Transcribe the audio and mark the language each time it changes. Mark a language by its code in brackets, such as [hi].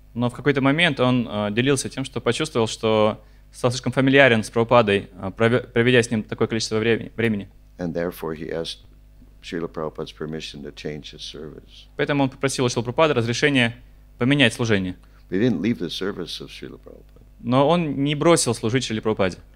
[ru] Но в какой-то момент он делился тем, что почувствовал, что стал слишком фамильярен с Прабхупадой, проведя с ним такое количество времени. [en] And therefore he asked Srila Prabhupada's permission to change his service. [ru] Поэтому он попросил у Шрилы Прабхупады разрешение поменять служение. [en] But he didn't leave the service of Srila Prabhupada. [ru] Но он не бросил служить Шриле Прабхупаде.